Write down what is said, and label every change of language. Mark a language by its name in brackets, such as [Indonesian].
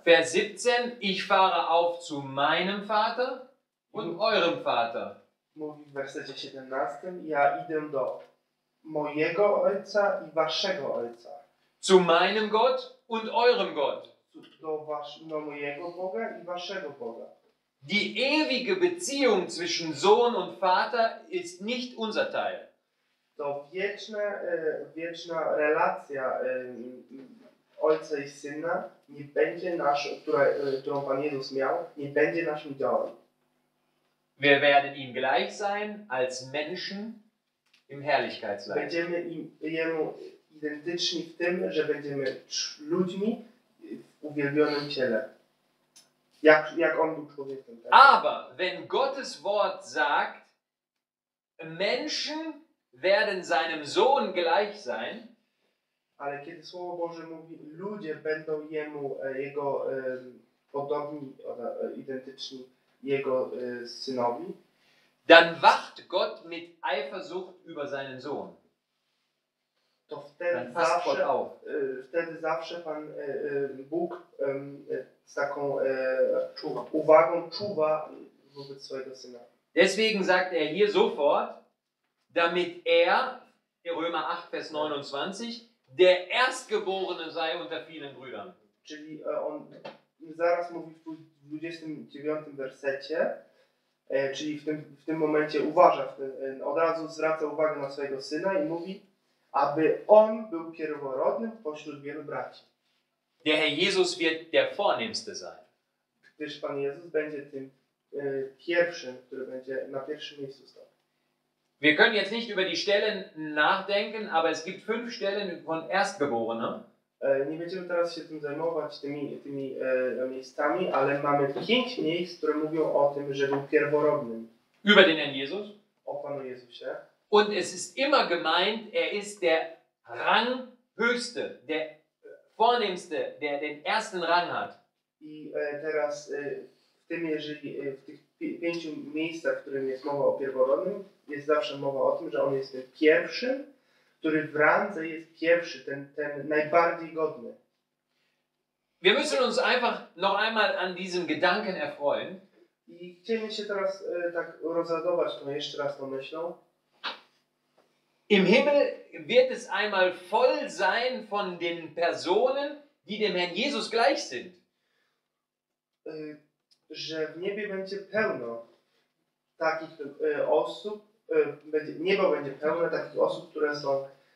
[German] Vers 17, ich fahre auf zu meinem Vater. und eurem Vater. [Polish] Mówi w wersecie 17, ja idę do mojego ojca i waszego ojca. [German] Zu meinem Gott und eurem Gott. [Polish] Do mojego Boga i waszego Boga. [German] Die ewige Beziehung zwischen Sohn und Vater ist nicht unser Teil. [Polish] To wieczna relacja ojca i syna nie będzie nasz, którą Pan Jezus miał, nie będzie naszym działem. [German] Wir werden ihm gleich sein als Menschen im Herrlichkeitsleib. [Polish] Będziemy jemu identyczni w tym, że będziemy ludźmi w uwielbionym ciele. Jak on był człowiekiem. Tak? [German] Aber wenn Gottes Wort sagt, Menschen werden seinem Sohn gleich sein. [Polish] Ale kiedy Słowo Boże mówi, ludzie będą jemu jego podobni oder identyczni jego synowi, [German] dann wacht Gott mit Eifersucht über seinen Sohn. [Polish] To wtedy [German] dann passt [Polish] zawsze, [German] Gott auf. [Polish] Wtedy zawsze Pan Bóg z taką uwagą czuwa wobec swojego syna. [German] Deswegen sagt er hier sofort, damit er, Römer 8, Vers 29, der Erstgeborene sei unter vielen Brüdern. [Polish] Czyli on zaraz mówi w 29 wersecie, czyli w tym momencie uważa, od razu zwraca uwagę na swojego syna i mówi, aby on był pierworodnym pośród wielu braci. [German] Der Herr Jesus wird der vornehmste sein. [Polish] Gdyż Pan Jezus będzie tym pierwszym, który będzie na pierwszym miejscu stał. [German] Wir können jetzt nicht über die Stellen nachdenken, aber es gibt 5 Stellen von Erstgeborenen. [Polish] Nie będziemy teraz się tym zajmować, tymi miejscami, ale mamy 5 miejsc, które mówią o tym, że był pierworodnym. [German] Über den Herrn Jesus. [Polish] O Panu Jezusie. [German] Und es ist immer gemeint, er ist der Ranghöchste, der Vornehmste, der den ersten Rang hat. [Polish] I teraz w tych 5 miejscach, w którym jest mowa o pierworodnym, jest zawsze mowa o tym, że on jest ten pierwszy, który w randze jest pierwszy, ten najbardziej godny. [German] Wir müssen uns einfach noch einmal an diesem Gedanken erfreuen. [Polish] I chcemy się teraz tak rozładować tą jeszcze raz tą myślą. [German] Im Himmel wird es einmal voll sein von den Personen, die dem Herrn Jesus gleich sind. [Polish] Że w niebie będzie pełno takich osób, niebo będzie pełne takich osób, które są